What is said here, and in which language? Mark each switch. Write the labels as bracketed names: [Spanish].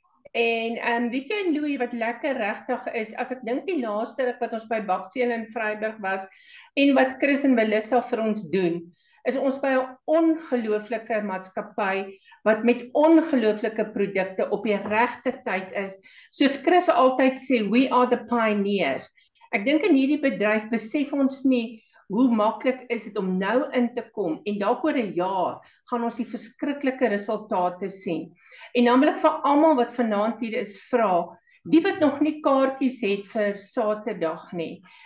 [Afrikaans] En weet jy Louis wat lekker regtig is, as ek dink die laaste ruk wat ons by Bakseel in Vryburg was en wat Chris en Melissa vir ons doen, is ons by 'n ongelooflike maatskappy wat met ongelooflike produkte op die regte tyd is. Soos Chris altyd sê, [English] we are the pioneers. [Afrikaans] Ek dink in hierdie bedryf besef ons nie hoe maklik is dit om nou in te kom en dalk oor 'n jaar gaan ons die verskriklike resultate sien. En dan wil ek vir almal wat vanaand hier is vra, die wat nog nie kaartjies het vir Saterdag nie.